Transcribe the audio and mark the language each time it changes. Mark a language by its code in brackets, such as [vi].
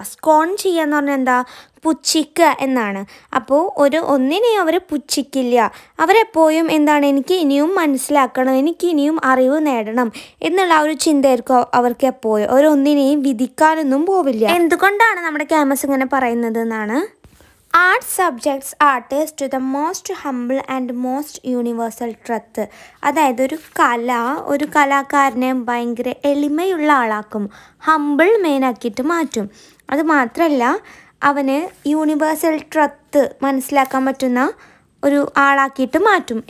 [ml] Scorn ചെയ്യുക എന്ന് പറഞ്ഞാൽ എന്താ, പുച്ഛിക്കുക എന്നാണ്. അപ്പോൾ ഒരു ഒന്നിനെയും അവർ പുച്ഛിക്കില്ല. അവരെപ്പോഴും എന്താണ്, എനിക്ക് ഇനിയും മനസ്സിലാക്കണം, എനിക്ക് ഇനിയും അറിവ് നേടണം എന്നുള്ള ആ ഒരു ചിന്തയായിരിക്കും അവർക്ക് എപ്പോഴും. ഒരു ഒന്നിനെയും വിധിക്കാനൊന്നും പോവില്ല. എന്തുകൊണ്ടാണ് നമ്മുടെ ക്യാമസ് ഇങ്ങനെ പറയുന്നത് എന്നാണ്, [en] Art subjects artists to the most humble and most universal truth. [ml] അതായത് ഒരു കല ഒരു കലാകാരനെ ഭയങ്കര എളിമയുള്ള ആളാക്കും, ഹമ്പിൾ മെയിനാക്കിയിട്ട് മാറ്റും. അത് മാത്രമല്ല, അവന് യൂണിവേഴ്സൽ ട്രത്ത് മനസ്സിലാക്കാൻ പറ്റുന്ന ഒരു ആളാക്കിയിട്ട് മാറ്റും.